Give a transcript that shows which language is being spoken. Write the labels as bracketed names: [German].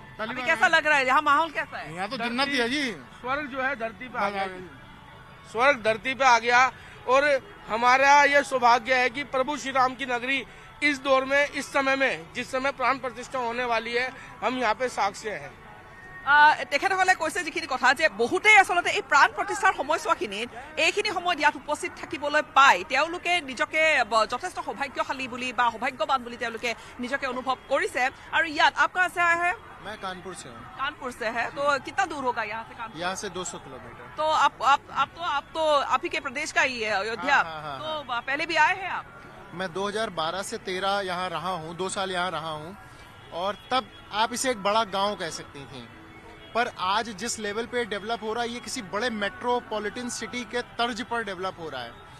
[Hindi] अभी कैसा लग रहा है, यहाँ माहौल कैसा है? यहाँ तो जन्नत ही है जी। स्वर्ग जो है धरती पे आ गया, स्वर्ग धरती पे आ गया, और हमारा ये सौभाग्य है कि प्रभु श्री राम की नगरी इस दौर में, इस समय में, जिस समय प्राण प्रतिष्ठा होने वाली है, हम यहाँ पे साक्ष्य है। [Assamese] তেখেতসকলে কৈছে যিখিনি কথা যে বহুতেই আচলতে এই প্ৰাণ প্ৰতিষ্ঠাৰ সময়ছোৱাখিনিত এইখিনি সময়ত ইয়াত উপস্থিত থাকিবলৈ পায় তেওঁলোকে নিজকে যথেষ্ট সৌভাগ্যশালী বুলি বা সৌভাগ্যবান বুলি তেওঁলোকে নিজকে অনুভৱ কৰিছে। আৰু ইয়াত আপোনাৰ আছে আহে? [Hindi] मैं कानपुर से हूँ। कानपुर से है तो कितना दूर होगा यहाँ से? कानपुर यहाँ से 200 किलोमीटर। तो आप तो आप ही के प्रदेश का ही है अयोध्या? तो पहले भी आए हैं आप? मैं 2012 से 2013 यहाँ रहा हूँ, 2 साल यहाँ रहा हूँ, और तब आप इसे एक बड़ा गाँव कह सकती थी, पर आज जिस लेवल पे डेवलप हो रहा है ये किसी बड़े मेट्रोपॉलिटन सिटी के तर्ज पर डेवलप हो रहा है।